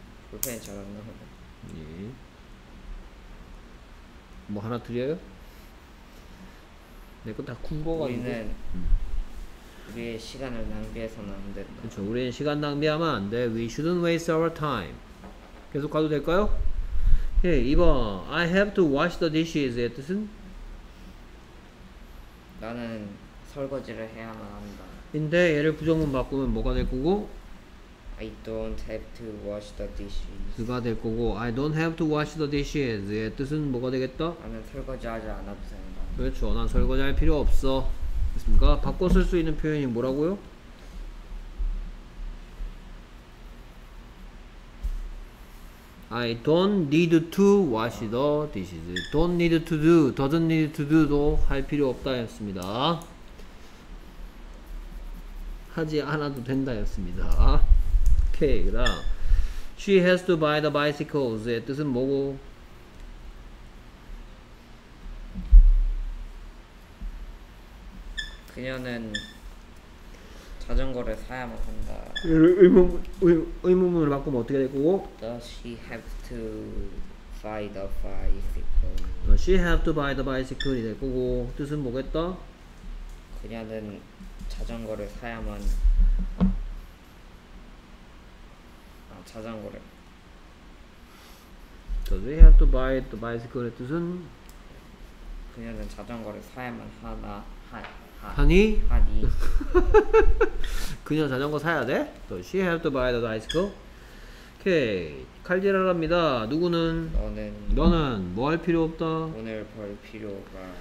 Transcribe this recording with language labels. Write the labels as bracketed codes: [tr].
[ko] 불편이 잘 안 나오네. 예. 뭐 하나 드려요? 내 거 다 굶어가지고 우리는 우리의 시간을 낭비해서는 안 된다. 그렇죠. 우리는 시간 낭비하면 안 돼. [en] We shouldn't waste our time. [ko] 계속 가도 될까요? [en] 예, 2번 I have to wash the dishes. [ko] 의 뜻은 나는 설거지를 해야만 한다. 근데 얘를 부정문 바꾸면 뭐가 될 거고? [en] I don't have to wash the dishes. [ko] 그가 될 거고 [en] I don't have to wash the dishes. [ko] 의 뜻은 뭐가 되겠다? 나는 설거지하지 않아도 된다. 그렇죠. 난 설거지할 필요 없어. 됐습니까? 바꿔 쓸 수 있는 표현이 뭐라고요? [en] I don't need to wash the dishes. Don't need to do, doesn't need to do도 할 필요 없다였습니다. [ko] 하지 않아도 된다였습니다. 오케이, 그 다음 [en] She has to buy the bicycles의 [ko] 뜻은 뭐고? 그녀는 자전거를 사야만 한다. 의문문을 바꾸면 어떻게 될 거고? [en] Does she have to buy the bicycle? Does she have to buy the bicycle이 [ko] 될 거고 뜻은 뭐겠다? 그녀는 자전거를 사야만 자전거를 [en] Does she have to buy the bicycle의 뜻은? [ko] 그녀는 자전거를 사야만 하나 하니? 하니 그녀 자전거 사야 돼? [en] Does she have to buy the bicycle? [ko] 오케이 칼질하랍니다. 누구는? 너는 뭐 할 필요 없다? 돈을 벌 필요가